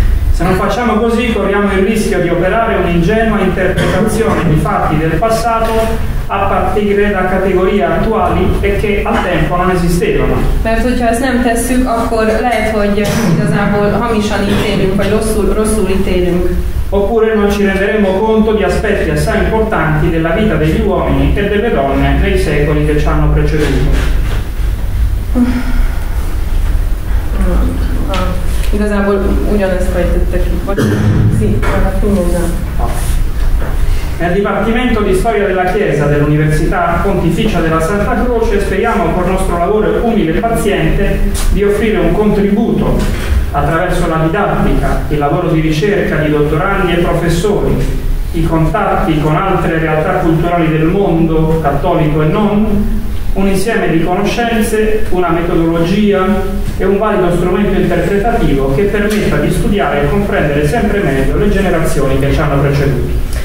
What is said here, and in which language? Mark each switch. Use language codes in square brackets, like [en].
[it] Se non facciamo così, corriamo il rischio di operare un'ingenua interpretazione di fatti del passato a partire da categorie attuali e che al tempo non esistevano. [hu] Mert hogyha ezt nem tesszük, akkor lehet, hogy igazából hamisan ítélünk, vagy rosszul ítélünk. [it] Oppure non ci renderemo conto di aspetti assai importanti della vita degli uomini e delle donne nei secoli che ci hanno preceduto. [hu] Igazából ugyanezt fejtettek ki. [it] Sì, ma [hu] tudom. [it] Nel Dipartimento di Storia della Chiesa dell'Università Pontificia della Santa Croce speriamo col nostro lavoro umile e paziente di offrire un contributo attraverso la didattica, il lavoro di ricerca di dottorandi e professori, i contatti con altre realtà culturali del mondo, cattolico e non, un insieme di conoscenze, una metodologia e un valido strumento interpretativo che permetta di studiare e comprendere sempre meglio le generazioni che ci hanno preceduto.